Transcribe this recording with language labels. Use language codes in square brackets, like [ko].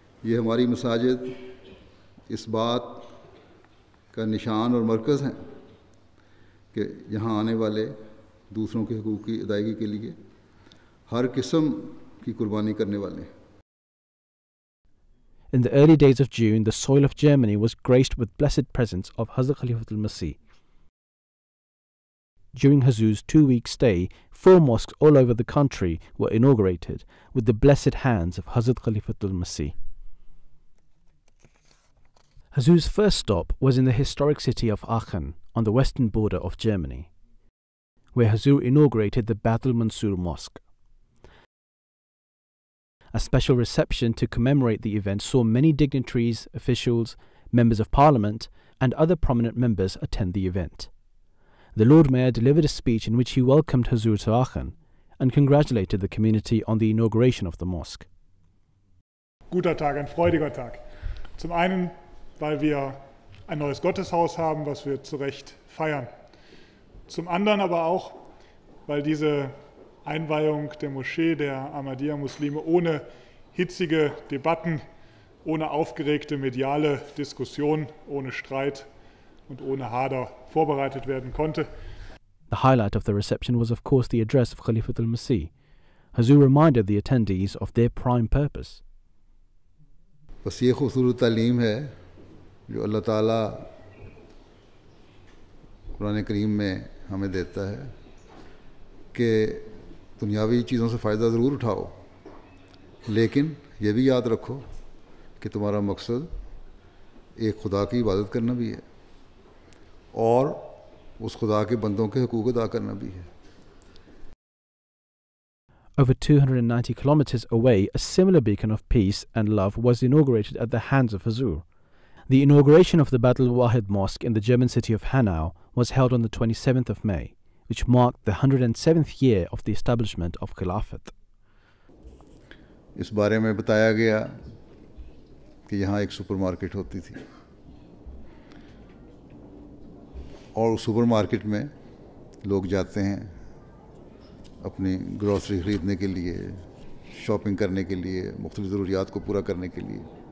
[ur] یہ ہماری مساجد اس بات کا نشان اور مرکز ہیں کہ یہاں آنے والے دوسروں کے حقوق کی ادائیگی کے لیے ہر قسم کی قربانی کرنے والے ہیں [en] In the early days of June, the soil of Germany was graced with blessed presence of Hazrat Khalifat al-Masih. During Hazu's two-week stay, four mosques all over the country were inaugurated with the blessed hands of Hazrat Khalifat al-Masih. Hazu's first stop was in the historic city of Aachen on the western border of Germany, where Hazu inaugurated the Bad al-Mansur Mosque. A special reception to commemorate the event saw many dignitaries, officials, members of parliament, and other prominent members attend the event. The Lord Mayor delivered a speech in which he welcomed Hazur to Aachen and congratulated the community on the inauguration of the mosque. [de] Guter Tag, ein freudiger Tag. Zum einen, weil wir ein neues Gotteshaus haben, was wir zu Recht feiern. Zum anderen aber auch, weil diese Einweihung der Moschee der Ahmadiyya-Muslime ohne hitzige Debatten, ohne aufgeregte mediale Diskussion, ohne Streit und ohne Hader vorbereitet werden konnte. [en] The highlight of the reception was of course the address of Khalifat al-Masih. Hazu reminded the attendees of their prime purpose. [ur] بس یہ خصورت تعلیم ہے جو اللہ تعالیٰ قرآن کریم میں ہمیں دیتا ہے کہ دنیاوی چیزوں سے فائدہ ضرور اٹھاؤ لیکن یہ بھی یاد رکھو کہ تمہارا مقصد ایک خدا کی عبادت کرنا بھی ہے اور اس خدا کے بندوں کے حقوق ادا کرنا بھی ہے [en] Over 290 kilometers away, a similar beacon of peace and love was inaugurated at the hands of Hazur. The inauguration of the Bad al-Wahid Mosque in the German city of Hanau was held on the 27th of May. Which marked the 107th year of the establishment of Khilafat. [ur] اس بارے میں بتایا گیا کہ یہاں ایک super market ہوتی تھی اور اس سپر مارکیٹ میں لوگ جاتے ہیں اپنی گروسری خریدنے کے لیے شاپنگ کرنے کے لیے مختلف ضروریات کو پورا کرنے کے لیے